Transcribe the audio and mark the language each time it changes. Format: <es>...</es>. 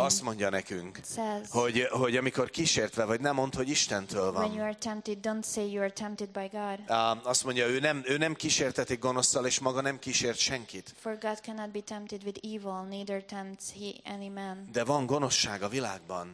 <hu>Azt mondja nekünk, hogy amikor kísértve vagy, nem mondd, hogy Istentől van.</hu> <en>When you are tempted, don't say you are tempted by God.</en> <hu>Azt mondja, ő nem kísértetik gonosszal, és maga nem kísért senkit.</hu> <en>For God cannot be tempted with evil, neither tempts he any man.</en> <hu>De van gonoszság a világban.</hu>